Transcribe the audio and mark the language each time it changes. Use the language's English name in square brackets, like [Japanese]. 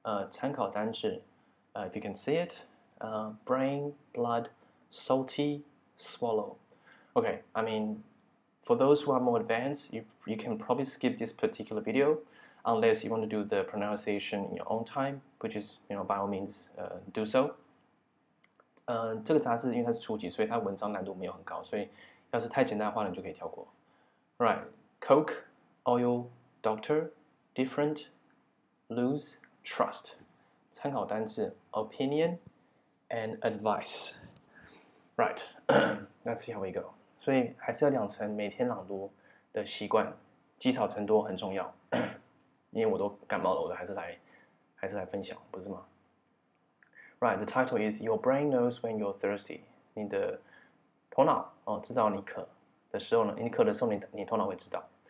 [Chinese] 参考单字, [English] if you can see it, brain, blood, salty, swallow. Okay, I mean, for those who are more advanced, you can probably skip this particular video unless you want to do the pronunciation in your own time, which is, you know, by all means, do so. [Chinese] 这个杂志因为它是初级，所以它文章难度没有很高，所以要是太简单的话，你就可以跳过。 [English] Right, Coke, oil, doctor, different, lose, trust. [Chinese] 参考单字 [English] opinion and advice. Right, let's see how we go. [Chinese] 所以还是要养成每天朗读的习惯，积少成多很重要。因为我都感冒了，我都还是来分享，不是吗？ [English] Right, the title is Your Brain Knows When You're Thirsty. [Chinese] 你的头脑、知道你渴的时候呢，你渴的时候 你头脑会知道。